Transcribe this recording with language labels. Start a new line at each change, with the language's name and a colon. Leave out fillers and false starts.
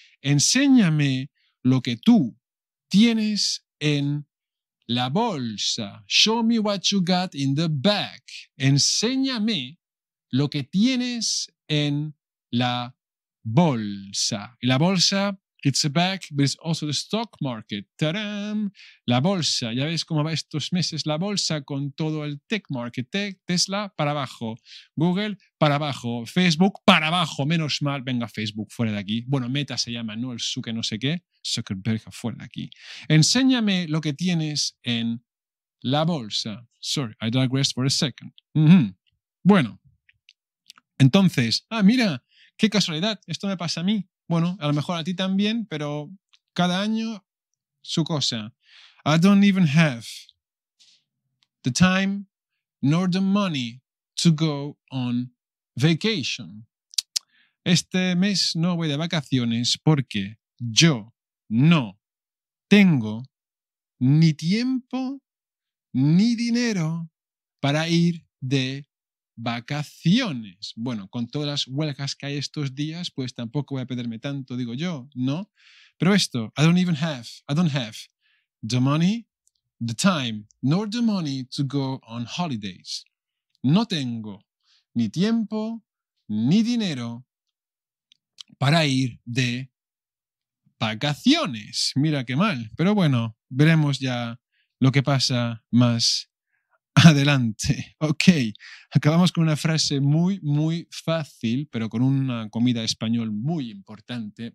Spanish: Enséñame lo que tú tienes en la bolsa.
English: Show me what you got in the bag.
Spanish: Enséñame lo que tienes en la bolsa.
English: Y la bolsa, it's a bag, but it's also the stock market.
Spanish: ¡Tarán! La bolsa. Ya ves cómo va estos meses la bolsa con todo el tech market. Tech, Tesla, para abajo. Google, para abajo. Facebook, para abajo. Menos mal. Venga, Facebook, fuera de aquí. Bueno, Meta se llama, ¿no? El suque no sé qué. Zuckerberg, fuera de aquí. Enséñame lo que tienes en la bolsa.
English: Sorry, I digress for a second. Mm-hmm.
Spanish: Bueno, entonces, mira, qué casualidad, esto me pasa a mí. Bueno, a lo mejor a ti también, pero cada año su cosa.
English: I don't even have the time nor the money to go on vacation.
Spanish: Este mes no voy de vacaciones porque yo no tengo ni tiempo ni dinero para ir de vacaciones. Bueno, con todas las huelgas que hay estos días, pues tampoco voy a perderme tanto, digo yo, ¿no? Pero esto,
English: I don't have the money, the time, nor the money to go on holidays.
Spanish: No tengo ni tiempo ni dinero para ir de vacaciones. Mira qué mal. Pero bueno, veremos ya lo que pasa más adelante. Ok, acabamos con una frase muy, muy fácil, pero con una comida español muy importante.